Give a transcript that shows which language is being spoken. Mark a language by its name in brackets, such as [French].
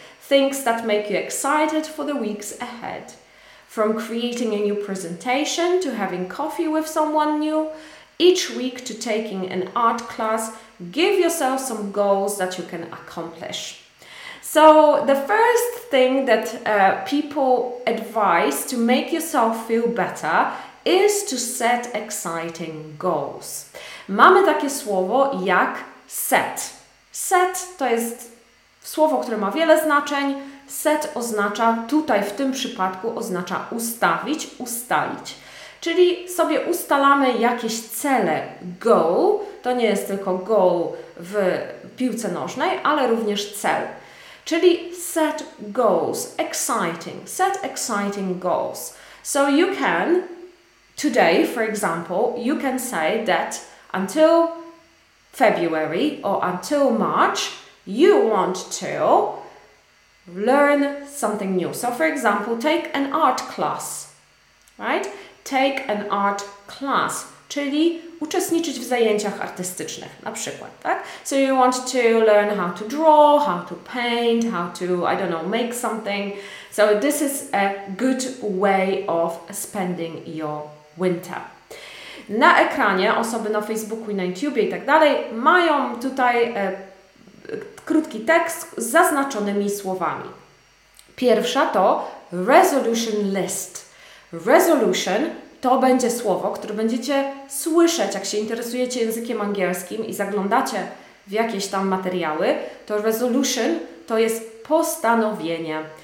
[English] Things that make you excited for the weeks ahead. From creating a new presentation to having coffee with someone new, each week to taking an art class, give yourself some goals that you can accomplish. So the first thing that people advise to make yourself feel better is to set exciting goals. [Polish] Mamy takie słowo jak set. Set to jest słowo, które ma wiele znaczeń. Set oznacza, tutaj w tym przypadku oznacza ustawić, ustalić. Czyli sobie ustalamy jakieś cele, goal. To nie jest tylko goal w piłce nożnej, ale również cel. [English] Czyli set goals, exciting. Set exciting goals. So you can, today for example, you can say that until February or until March, you want to learn something new. So for example, take an art class, right? Take an art class, [Polish] czyli uczestniczyć w zajęciach artystycznych, na przykład, tak? [English] So you want to learn how to draw, how to paint, how to, I don't know, make something. So this is a good way of spending your winter. [Polish] Na ekranie osoby na Facebooku i na YouTubie i tak dalej mają tutaj krótki tekst z zaznaczonymi słowami. Pierwsza to resolution list. Resolution to będzie słowo, które będziecie słyszeć, jak się interesujecie językiem angielskim i zaglądacie w jakieś tam materiały, to resolution to jest postanowienie.